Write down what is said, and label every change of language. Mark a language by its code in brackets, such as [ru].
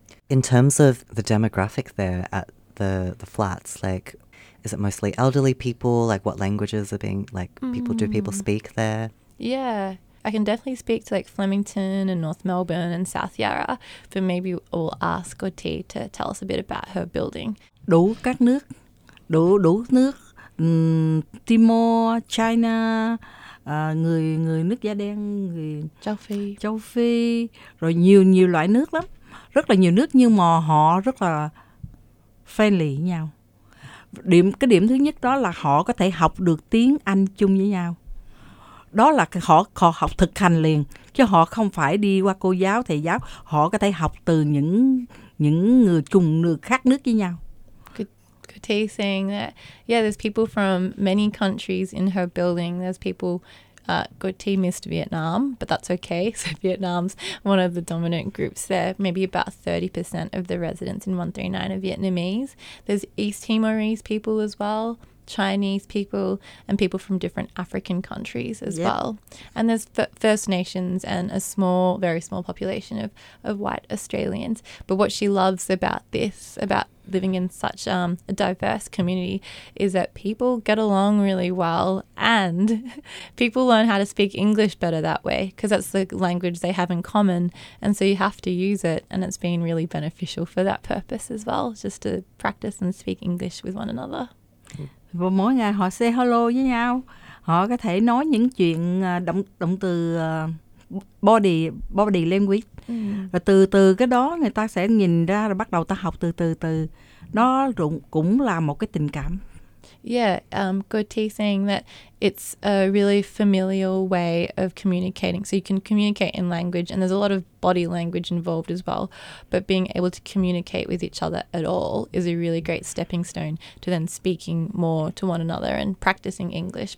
[en] In terms of the demographic there at the flats, like, is it mostly elderly people? Like, what languages are being, like, people, do people speak there? Yeah, I can definitely speak to, like, Flemington and North Melbourne and South Yarra, but maybe we'll ask Gauthier to tell us a bit about her building. [vi] Đủ các nước, đủ nước, Timor, China, người nước da đen, người Châu Phi, rồi nhiều loại nước lắm. Rất là nhiều nước nhưng mà họ rất là friendly với nhau. Cái điểm thứ nhất đó là họ có thể học được tiếng Anh chung với nhau. Đó là họ học thực hành liền, chứ họ không phải đi qua cô giáo, thầy giáo. Họ có thể học từ những người cùng nước khác nước với nhau. [en] Gauthier saying that, yeah, there's people from many countries in her building. There's people, Gauthier missed Vietnam, but that's okay. So Vietnam's one of the dominant groups there. Maybe about 30% of the residents in 139 are Vietnamese. There's East Timorese people as well, Chinese people, and people from different African countries as well. And there's First Nations and a small, very small population of white Australians. But what she loves about this, about living in such a diverse community, is that people get along really well and people learn how to speak English better that way, because that's the language they have in common. And so you have to use it. And it's been really beneficial for that purpose as well, just to practice and speak English with one another. [vi] Và mỗi ngày họ [en] say hello [vi] với nhau. Họ có thể nói những chuyện động từ body language. Rồi từ từ cái đó người ta sẽ nhìn ra rồi bắt đầu ta học từ. Nó cũng là một cái tình cảm. [en] Yeah, Gauthier saying that it's a really familial way of communicating. So you can communicate in language, and there's a lot of body language involved as well. But being able to communicate with each other at all is a really great stepping stone to then speaking more to one another and practicing English.